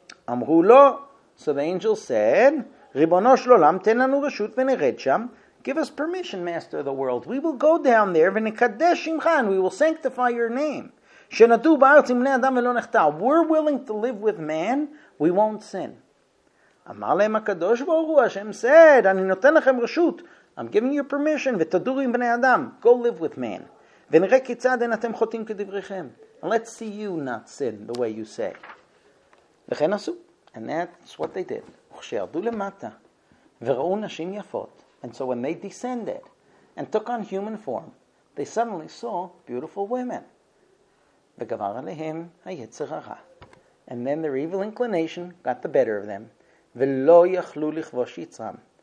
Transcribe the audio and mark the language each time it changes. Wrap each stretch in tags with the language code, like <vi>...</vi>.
<he>אמרו לו,</he> <en>so the angel said,</en> <he>ריבונו של עולם, תן לנו רשות ונרד שם,</he> <en>give us permission, master of the world, we will go down there,</en> <he>ונקדש שמך,</he> <en>and we will sanctify your name.</en> <he>שנדעו בארץ עם בני אדם ולא נחטא,</he> <en>we're willing to live with man, we won't sin.</en> <he>אמר להם הקדוש ברוך הוא, השם</he> <en>said,</en> <he>אני נותן לכם רשות,</he> <en>I'm giving you permission,</en> <he>ותדור עם בני אדם,</he> <en>go live with man.</en> <he>ונראה כיצד אין אתם חוטאים כדבריכם.</he> <en>Let's see you not sin the way you say.</en> <he>וכן עשו,</he> <en>and that's what they did.</en> <he>וכשירדו למטה, וראו נשים יפות,</he> <en>and so when they descended, and took on human form, they suddenly saw beautiful women. וגבר עליהם היצר הרע. And then their evil inclination got the better of them,</en> <he>ולא יכלו לכבוש יצרם.</he>